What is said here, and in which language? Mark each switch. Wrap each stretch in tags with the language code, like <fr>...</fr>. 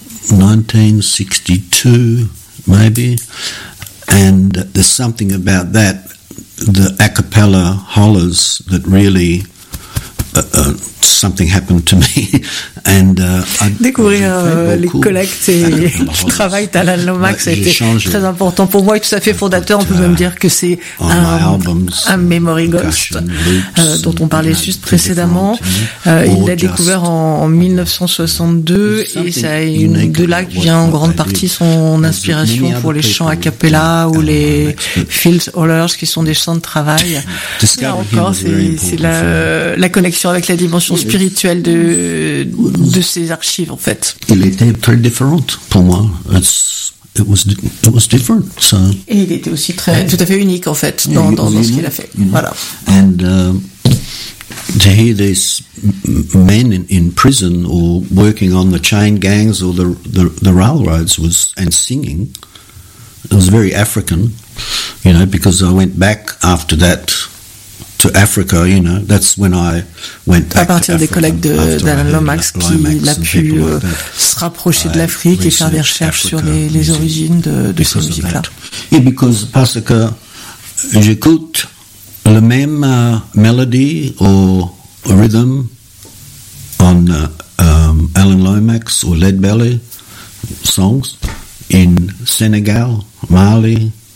<en>1962, maybe, and there's something about that, the a cappella hollers, that really something happened to me. And</en> <fr>découvrir les collectes et le travail d'Alan Lomax était très important pour moi et tout à fait fondateur. On peut même dire que c'est un memory ghost dont on parlait juste précédemment. Il l'a découvert en 1962 et c'est de là que vient en grande partie son inspiration pour les chants a cappella ou les field hollers qui sont des chants de travail. Là encore, c'est la connexion avec la dimension spirituelle de ces archives, en fait. Il était très différent pour moi.</fr> <en>It was different. So.</en> <fr>Et il était aussi très, tout à fait unique, en fait, dans ce qu'il a fait. Voilà.</fr> <en>And to hear these men in prison or working on the chain gangs or the railroads was and singing, it was very African, you know, because I went back after that. To Africa, you know, that's when I went back</en> <fr>à partir</fr> <en>to</en> <fr>des collègues d'Alan Lomax qui l'a pu se rapprocher de l'Afrique et faire des recherches sur les origines de cette musique-là. Et parce que j'écoute la même mélodie ou rythme on Alan Lomax ou Lead Belly</fr> <en>songs in</en> <fr>Sénégal, Mali,</fr>